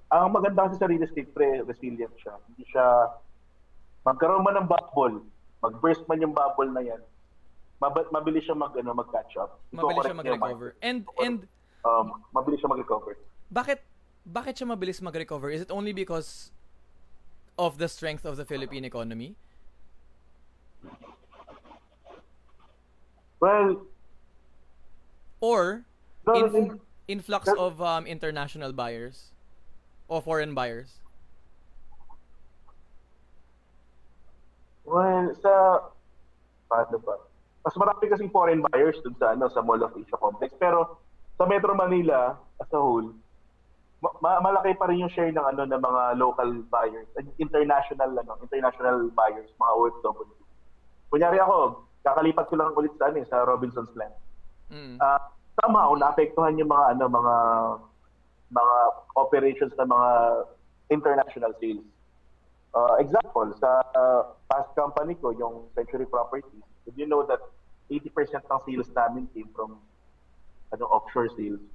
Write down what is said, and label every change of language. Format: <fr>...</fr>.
<tl>Ang maganda kasi sa real estate, pre, resilient siya. Hindi siya magkaroon man ng bubble, mag-burst man yung bubble na yan, mabilis siya mag-catch up. Mabilis siya mag-recover. And mabilis siya mag-recover. Bakit siya mabilis mag-recover?</tl> <en>Is it only because of the strength of the Philippine economy? Well, or influx of international buyers or foreign buyers?</en> <tl>Well, sa paano ba? Mas marami kasi foreign buyers dun sa ano, sa Mall of Asia complex, pero sa Metro Manila as a whole, malaki pa rin yung share ng ano, ng mga local buyers, international ano, international buyers, mga OFW. Kunyari ako, kakalipat ko lang ulit sa ano, sa Robinson's Land. Somehow naapektuhan yung mga ano, mga operations ng mga international sales. Example, sa past company ko, yung Century Properties,</tl> <en>did you know that</en> <tl>80% ng sales namin</tl> <en>came from</en> <tl>ano,</tl> <en>offshore sales?</en>